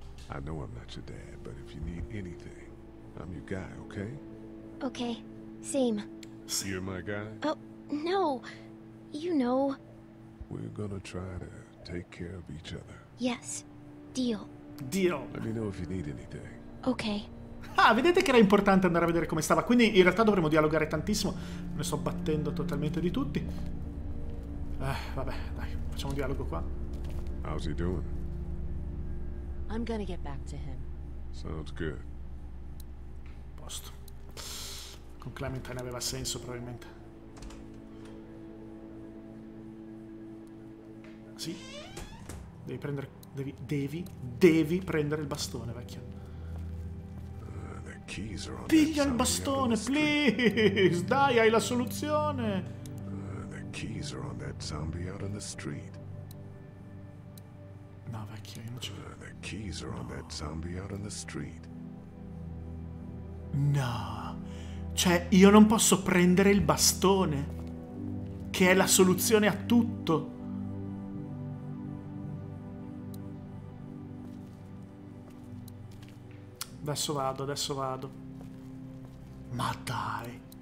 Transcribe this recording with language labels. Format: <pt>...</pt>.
<en>I know I'm not your dad, but if you need anything, I'm your guy, okay? Okay. Same. You're my guy? Oh, no. You know. We're gonna try to take care of each other. Yes. Deal. Deal. Let me know if you need anything. Okay.</en> <it>Ah, vedete che era importante andare a vedere come stava. Quindi in realtà dovremmo dialogare tantissimo. Me ne sto battendo totalmente di tutti. Vabbè, dai, facciamo un dialogo qua.</it> <en>How's he doing? I'm gonna get back to him. Sounds good.</en> <it>Posto. Con Clementine aveva senso, probabilmente. Sì. Devi prendere. Devi prendere il bastone, vecchio. Piglia il bastone,</it> <en>please!</en> <it>Dai, hai la soluzione!</it> <en>The keys are on that zombie out on the street.</en> <it>No, vecchio, io non ci credo.</it> <en>The keys are on that zombie out on the street.</en> <it>No. Cioè, io non posso prendere il bastone, che è la soluzione a tutto. Adesso vado. Ma dai.</it>